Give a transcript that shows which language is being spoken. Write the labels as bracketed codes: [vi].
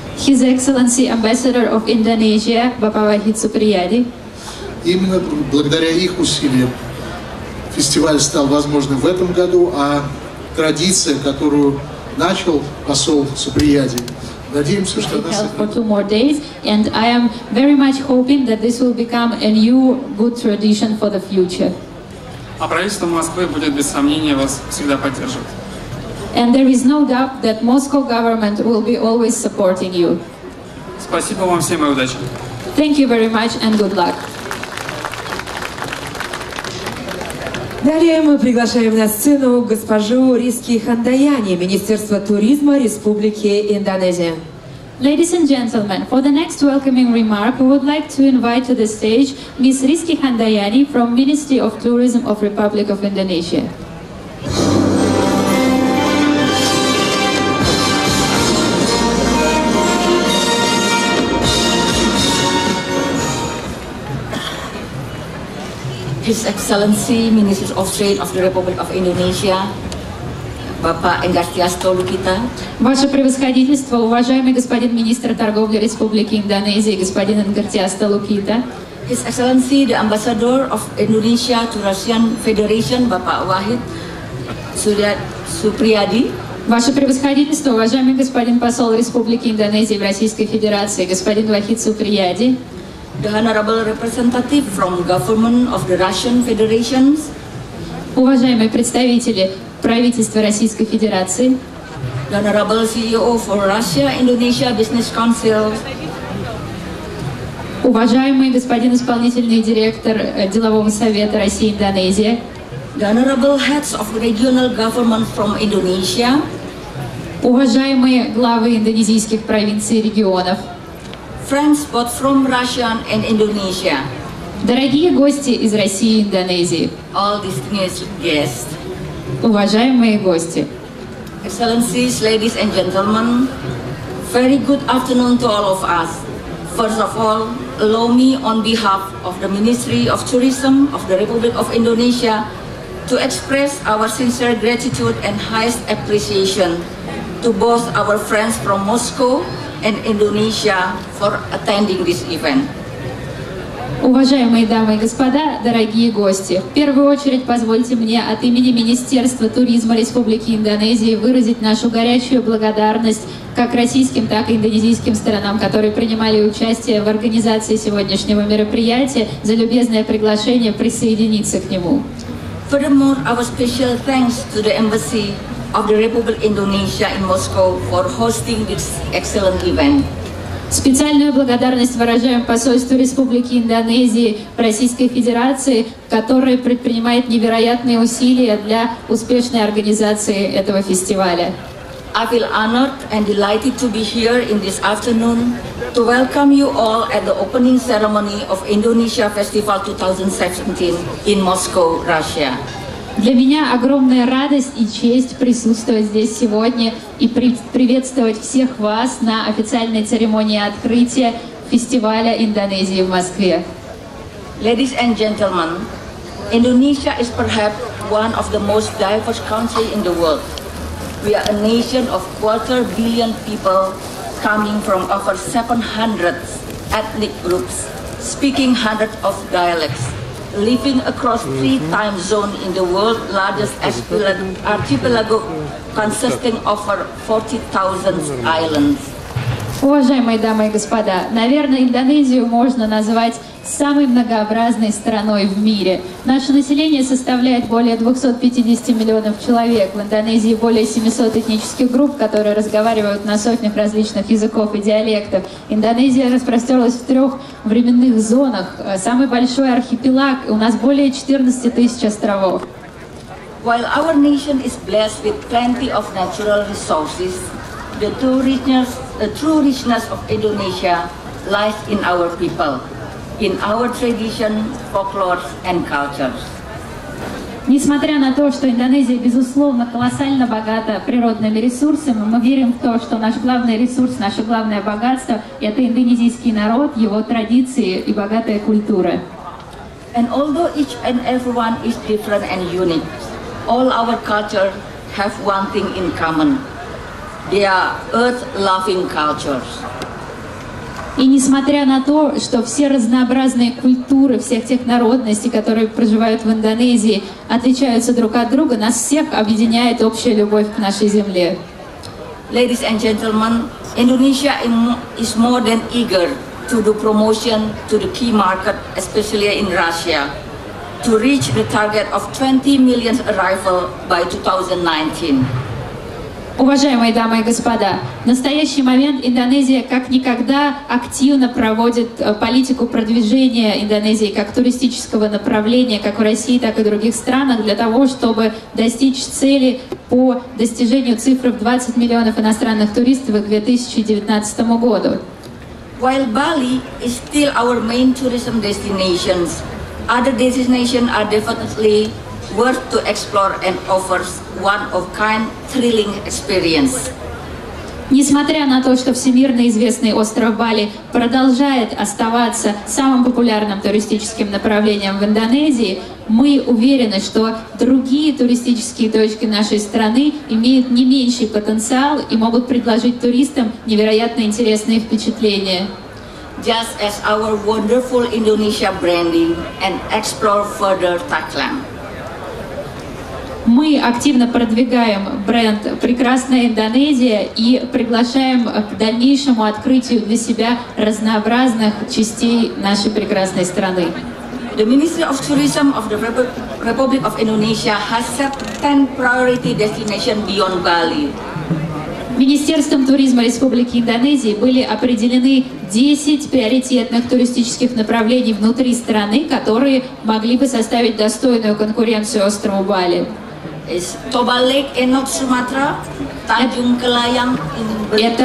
[en] His Excellency Ambassador of Indonesia, Bapak Wahid Supriyadi. [ru] Именно благодаря их усилиям фестиваль стал возможным в этом году, а традиция, которую начал посол Суприяди, надеемся, что она сохранится. [en] For two more days, and I am very much hoping that this will become a new good tradition for the future. [ru] А правительство Москвы будет без сомнения вас всегда поддерживать. [en] And there is no doubt that Moscow government will be always supporting you. [ru] Спасибо вам всем и удачи. [en] Thank you very much and good luck. [ru] Далее мы приглашаем на сцену госпожу Риски Хандаяни, Министерство туризма Республики Индонезия. [en] Ladies and gentlemen, for the next welcoming remark, we would like to invite to the stage Miss Riski Handayani from Ministry of Tourism of Republic of Indonesia. His Excellency, Minister of Trade of the Republic of Indonesia, Bapak Enggar Tiasto Lukita. [ru] Ваше превосходительство, уважаемый господин министр торговли Республики Индонезии, господин Enggar Tiasto Lukita. [en] His Excellency, the Ambassador of Indonesia to Russian Federation, Bapak Wahid Supriyadi. [ru] Ваше превосходительство, уважаемый господин посол Республики Индонезии в Российской Федерации, господин Вахид Суприяди. [en] The honorable representative from government of the Russian Federation. [ru] Уважаемые представители правительства Российской Федерации. [en] The honorable CEO for Russia-Indonesia Business Council. [ru] Уважаемый господин исполнительный директор делового совета России-Индонезия. [en] The honorable heads of regional government from Indonesia. [ru] Уважаемые главы индонезийских провинций и регионов. [en] Friends both from Russia and Indonesia. [ru] Дорогие гости из России и Индонезии. [en] All distinguished guests. [ru] Уважаемые гости. [en] Excellencies, ladies and gentlemen, very good afternoon to all of us. First of all, allow me on behalf of the Ministry of Tourism of the Republic of Indonesia to express our sincere gratitude and highest appreciation to both our friends from Moscow and Indonesia for attending this event. [ru] Уважаемые дамы и господа, дорогие гости, в первую очередь позвольте мне от имени Министерства туризма Республики Индонезии выразить нашу горячую благодарность как российским, так и индонезийским сторонам, которые принимали участие в организации сегодняшнего мероприятия, за любезное приглашение присоединиться к нему. [en] Furthermore, our special thanks to the embassy of the Republic of Indonesia in Moscow for hosting this excellent event. [ru] Специальную благодарность выражаем посольству Республики Индонезии в Российской Федерации, которое предпринимает невероятные усилия для успешной организации этого фестиваля. [en] I feel honored and delighted to be here in this afternoon to welcome you all at the opening ceremony of Indonesia Festival 2017 in Moscow, Russia. [ru] Для меня огромная радость и честь присутствовать здесь сегодня и приветствовать всех вас на официальной церемонии открытия фестиваля Индонезии в Москве. [en] Ladies and gentlemen, Indonesia is perhaps one of the most diverse countries in the world. We are a nation of 250 million people coming from over 700 ethnic groups, speaking hundreds of dialects, living across three time zones in the world's largest archipelago consisting of over 40,000 islands. [ru] Уважаемые дамы и господа, наверное, Индонезию можно назвать самой многообразной страной в мире. Наше население составляет более 250 миллионов человек. В Индонезии более 700 этнических групп, которые разговаривают на сотнях различных языков и диалектов. Индонезия распростерлась в трех временных зонах. Самый большой архипелаг, у нас более 14 тысяч островов. [en] While our nation is blessed with plenty of natural resources, the true richness of Indonesia lies in our people, in our tradition, folklore and cultures. [ru] Несмотря на то, что Индонезия, безусловно, колоссально богата природными ресурсами, мы верим в то, что наш главный ресурс, наше главное богатство – это индонезийский народ, его традиции и богатая культура. [en] And although each and everyone is different and unique, all our cultures have one thing in common. They are earth-loving cultures. [ru] И несмотря на то, что все разнообразные культуры всех тех народностей, которые проживают в Индонезии, отличаются друг от друга, нас всех объединяет общая любовь к нашей земле. [en] Ladies and gentlemen, Indonesia is more than eager to do promotion to the key market, especially in Russia, to reach the target of 20 million arrival by 2019. [ru] Уважаемые дамы и господа, в настоящий момент Индонезия как никогда активно проводит политику продвижения Индонезии как туристического направления, как в России, так и в других странах, для того, чтобы достичь цели по достижению цифры в 20 миллионов иностранных туристов к 2019 году. [en] While Bali is still our main tourism destination, other destinations are definitely worth to explore and offers one of kind thrilling experience. [ru] Несмотря на то, что всемирно известный остров Бали продолжает оставаться самым популярным туристическим направлением в Индонезии, мы уверены, что другие туристические точки нашей страны имеют не меньший потенциал и могут предложить туристам невероятно интересные впечатления. [en] Just as our wonderful Indonesia branding and explore further Thailand. [ru] Мы активно продвигаем бренд «Прекрасная Индонезия» и приглашаем к дальнейшему открытию для себя разнообразных частей нашей прекрасной страны. [en] The Ministry of Tourism of the Republic of Indonesia has set 10 priority destinations beyond Bali. [ru] Министерством туризма Республики Индонезии были определены 10 приоритетных туристических направлений внутри страны, которые могли бы составить достойную конкуренцию острову Бали. [en] Toba Lake in Sumatra, Tanjung Kelayang in Belitung.